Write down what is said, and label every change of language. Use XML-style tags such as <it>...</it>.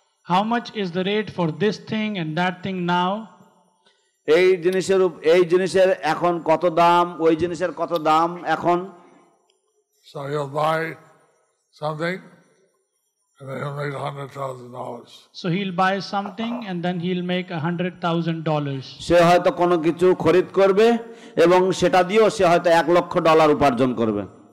<en>How much is the rate for this thing and that thing now?</en> <bn>এই জিনিসের এখন কত দাম ওই জিনিসের কত দাম এখন</bn> <en>So you'll buy something and then he'll make $100,000. So he'll buy something and then he'll make $100,000.</en> <bn>সে হয়তো কোনো কিছু খরিদ করবে এবং সেটা দিয়েও সে হয়তো $1,00,000 উপার্জন করবে</bn>